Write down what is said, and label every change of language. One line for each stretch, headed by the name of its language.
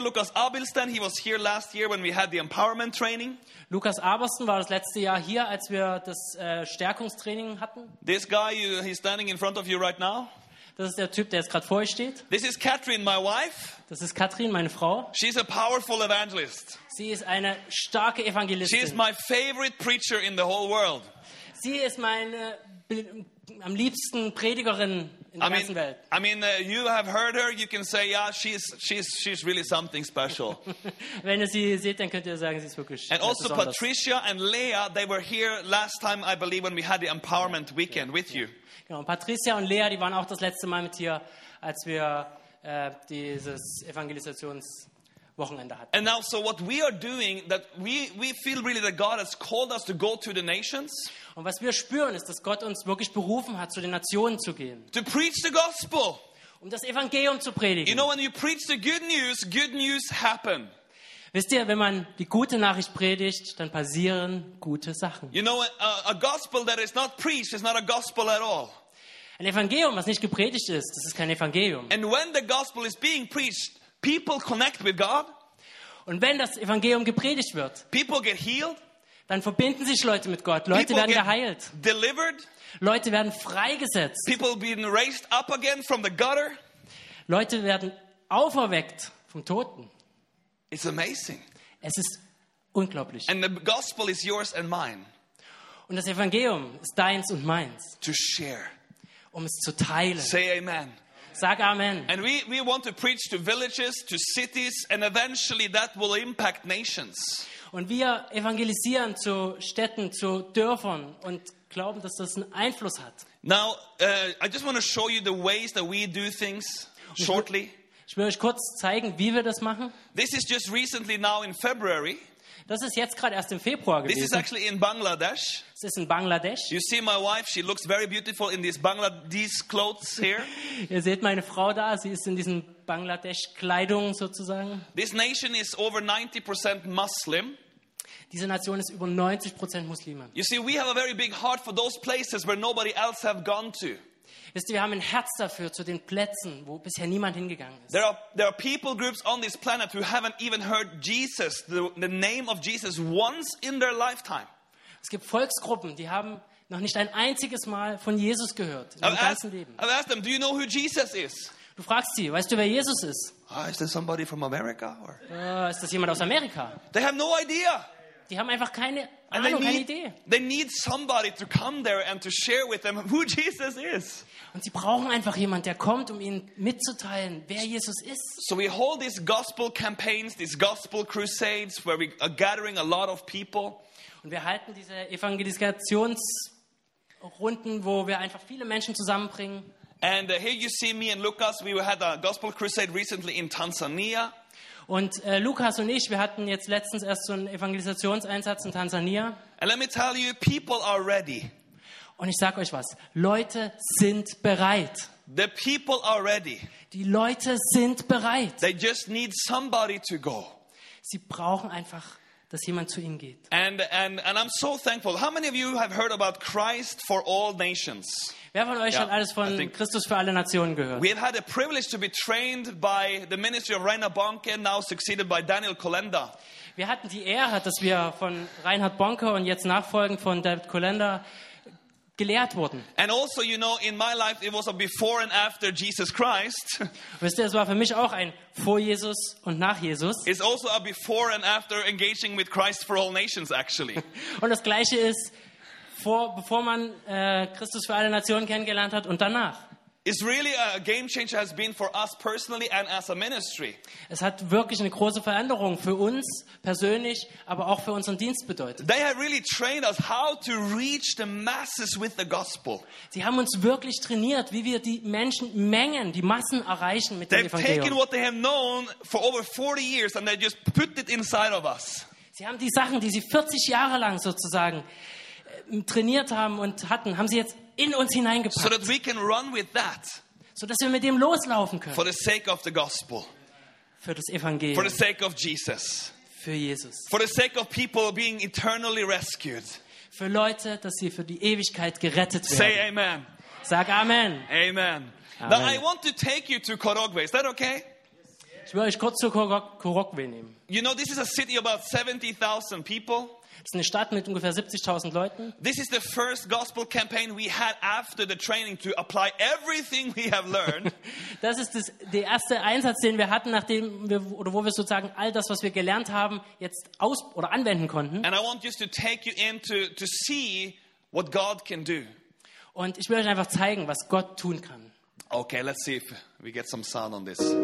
English: Lukas Abelsten, he was here last year when we had the empowerment training.
German: Lukas Abelsten war das letzte Jahr hier, als wir das Stärkungstraining hatten.
English: This guy, he's standing in front of you right now.
German: Das ist der Typ, der jetzt gerade vor euch steht.
English: This is Catherine, my wife.
German: Das ist Katrin, meine Frau.
English: She's a powerful evangelist.
German: Sie ist eine starke Evangelistin.
English: She is my favorite preacher in the whole world.
German: Sie ist meine am liebsten Predigerin in der ganzen Welt.
English: You have heard her, you can say, yeah, she's really something special.
German: Wenn ihr sie seht, dann könnt ihr sagen, sie ist wirklich
English: And also
German: besonders.
English: Patricia and Leah, they were here last time, I believe, when we had the empowerment weekend with you.
German: Genau, Patricia und Leah, die waren auch das letzte Mal mit hier, als wir dieses Evangelisationswochenende hatten.
English: And now, so what we are doing, that we feel really that God has called us to go to the nations.
German: Und was wir spüren, ist, dass Gott uns wirklich berufen hat, zu den Nationen zu gehen.
English: To preach the gospel.
German: Um das Evangelium zu predigen.
English: You know, when you preach the good news happen.
German: Wisst ihr, wenn man die gute Nachricht predigt, dann passieren gute Sachen.
English: You know, a gospel that is not preached is not a gospel at all.
German: Ein Evangelium, was nicht gepredigt ist, das ist kein Evangelium.
English: And when the gospel is being preached, people connect with God.
German: Und wenn das Evangelium gepredigt wird,
English: people get healed.
German: Dann verbinden sich Leute mit Gott. Leute
English: people
German: werden geheilt.
English: Delivered.
German: Leute werden freigesetzt.
English: People being raised up again from the gutter.
German: Leute werden auferweckt vom Toten.
English: It's amazing.
German: Es ist unglaublich.
English: And the gospel is yours and mine.
German: Und das Evangelium ist deins und meins.
English: To share.
German: Um es zu teilen.
English: Say amen.
German: Sag amen.
English: And we want to preach to villages, to cities, and eventually that will impact nations.
German: Und wir evangelisieren zu Städten, zu Dörfern und glauben, dass das einen Einfluss hat.
English: Now, I just want to show you the ways that we do things shortly.
German: Ich will euch kurz zeigen, wie wir das machen.
English: This is just recently now in February.
German: Das ist jetzt gerade erst im Februar gewesen.
English: This is actually in Bangladesh.
German: Es ist in Bangladesch.
English: You see my wife, she looks very beautiful in these Bangladesh clothes here.
German: Ihr seht meine Frau da, sie ist in diesen Bangladesch Kleidung sozusagen.
English: This nation is over 90% Muslim.
German: Diese Nation ist über 90% Muslime.
English: You see, we have a very big heart for those places where nobody else have gone to.
German: Wisst ihr, wir haben ein Herz dafür, zu den Plätzen, wo bisher niemand hingegangen ist.
English: There are people groups on this planet who haven't even heard Jesus, the name of Jesus, once in their lifetime.
German: Es gibt Volksgruppen, die haben noch nicht ein einziges Mal von Jesus gehört in ihrem ganzen Leben.
English: I've asked them, do you know who Jesus is?
German: Du fragst sie, weißt du, wer Jesus ist?
English: Is there somebody from America?
German: Ist das jemand aus Amerika?
English: They have no idea.
German: Die haben einfach keine Ahnung, keine Idee.
English: They need somebody to come there and to share with them who Jesus is.
German: Und sie brauchen einfach jemand, der kommt, um ihnen mitzuteilen, wer Jesus ist.
English: So we hold these gospel campaigns, these gospel crusades, where we are gathering a lot of people.
German: Und wir halten diese Evangelisationsrunden, wo wir einfach viele Menschen zusammenbringen.
English: And here you see me and Lukas. We had a gospel crusade recently in Tanzania.
German: Und Lukas und ich, wir hatten jetzt letztens erst so einen Evangelisationseinsatz in Tansania.
English: And let me tell you, people are ready.
German: Und ich sage euch was, Leute sind bereit.
English: The people are ready.
German: Die Leute sind bereit.
English: They just need somebody to go.
German: Sie brauchen einfach, dass jemand zu ihnen geht.
English: And I'm so thankful. How many of you have heard about Christ for all nations?
German: Wer von euch hat alles von Christus für alle Nationen gehört?
English: We have had the privilege to be trained by the ministry of Rainer Bonke, now succeeded by Daniel Kolenda.
German: Wir hatten die Ehre, dass wir von Reinhard Bonke und jetzt nachfolgend von David Kolenda gelehrt wurden.
English: And also, you know, in my life it was a before and after Jesus Christ.
German: Wisst ihr, es war für mich auch ein vor Jesus und nach Jesus.
English: It's also a before and after engaging with Christ for all nations, actually.
German: Und das Gleiche ist, bevor man Christus für alle Nationen kennengelernt hat und danach.
English: It's really a game changer has been for us personally and as a ministry.
German: Es hat wirklich eine große Veränderung für uns persönlich, aber auch für unseren Dienst bedeutet.
English: They have really trained us how to reach the masses with the gospel.
German: Sie haben uns wirklich trainiert, wie wir die Menschen, Mengen, die Massen erreichen mit dem Evangelium.
English: They've taken what they have known for over 40 years and they just put it inside of us.
German: Sie haben die Sachen, die sie 40 Jahre lang sozusagen trainiert haben und hatten, haben sie jetzt in uns hineingepackt.
English: So that we can run with that.
German: So dass wir mit dem loslaufen können.
English: For the sake of the gospel.
German: Für das Evangelium.
English: For the sake of Jesus.
German: für Jesus.
English: For the sake of people being eternally rescued.
German: Für Leute, dass sie für die Ewigkeit gerettet werden.
English: Say amen.
German: Sag Amen. Amen.
English: Now I want to take you to Korogwe. Is that okay?
German: Ich will euch kurz zu Korogwe nehmen.
English: You know, this is a city of about 70,000 people.
German: Es ist eine Stadt mit ungefähr 70,000 Leuten.
English: This is the first gospel campaign we had after the training to apply everything we have learned.
German: Das ist der erste Einsatz, den wir hatten, nachdem wir oder wo wir sozusagen all das, was wir gelernt haben, jetzt aus oder anwenden konnten.
English: And I want just to take you in to see what God can do.
German: Und ich will euch einfach zeigen, was Gott tun kann.
English: Okay, let's see if we get some sound on this.